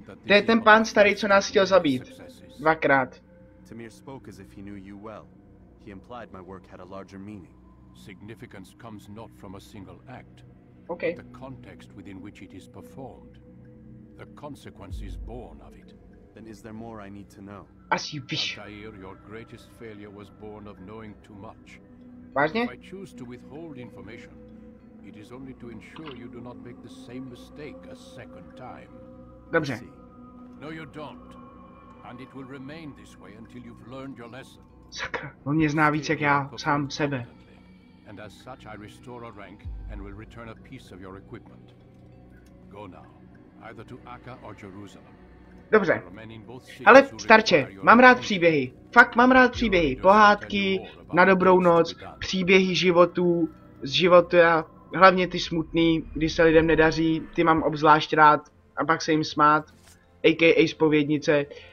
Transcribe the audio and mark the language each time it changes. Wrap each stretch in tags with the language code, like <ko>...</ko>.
<cs>To je ten pán starý, co nás chtěl zabít. Dvakrát.</cs> <en>Tamir spoke as if he knew you well. He implied my work had a larger meaning. Significance comes not from a single act. Okay. The context within which it is performed. The consequences born of it. Then is there more I need to know? As you wish. Altair, your greatest failure was born of knowing too much.</en> <cs>Vážně?</cs> <en>If I choose to withhold information, it is only to ensure you do not make the same mistake a second time.</en> <cs>Dobře.</cs> <en>No, you don't. And it will remain this way until you've learned your lesson.</en> <cs>Sakra, on mě zná víc jak já sám sebe.</cs> <en>And as such, I restore a rank and will return a piece of your equipment. Go now, either to Akka or Jerusalem.</en> <cs>Dobře. Ale starče, mám rád příběhy. Fakt mám rád příběhy. Pohádky, na dobrou noc, příběhy životů, z života. Hlavně ty smutný, když se lidem nedaří, ty mám obzvlášť rád a pak se jim smát, a.k.a. zpovědnice.</cs>